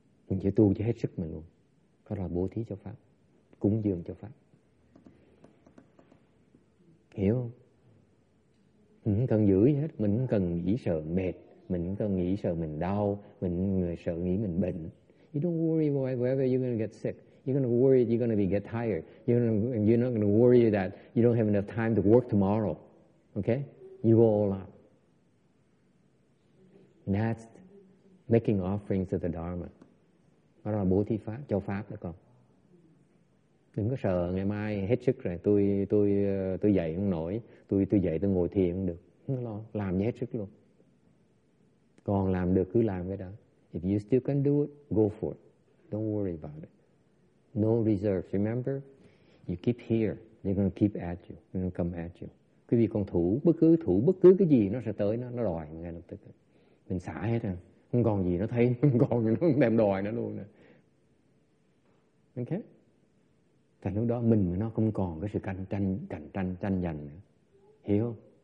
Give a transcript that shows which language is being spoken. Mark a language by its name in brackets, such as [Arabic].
[Vietnamese] Mình chỉ tu cho hết sức mình luôn. Đó là bố thí cho pháp, cúng dường cho pháp. Hiểu không? Mình không cần giữ gì hết, mình không cần nghĩ sợ mệt, mình không cần nghĩ sợ mình đau, mình người sợ nghĩ mình bệnh. [English] You don't worry about whether you're going to get sick. You're going to worry you're going to be get tired. You're not going to worry that you don't have enough time to work tomorrow. Okay? You go all out. That's making offerings to the Dharma. [Vietnamese] Đó là bố thí pháp, cho pháp được không? Đừng có sợ ngày mai hết sức rồi tôi dậy không nổi, tôi dậy tôi ngồi thiền không được. Không lo, làm như hết sức luôn. Còn làm được cứ làm cái đó. [English] If you still can do it, go for it. Don't worry about it. No reserves, remember? You keep here, they're going to keep at you. They're going to come at you. [Vietnamese] Quý vị còn thủ bất cứ cái gì nó sẽ tới, nó đòi ngay lập tức. Mình xả hết rồi. Không còn gì nó thấy, không còn gì nó đem đòi nó luôn nè. Ok? Tại lúc đó mình mà nó không còn cái sự cạnh tranh, tranh giành nữa. Hiểu không?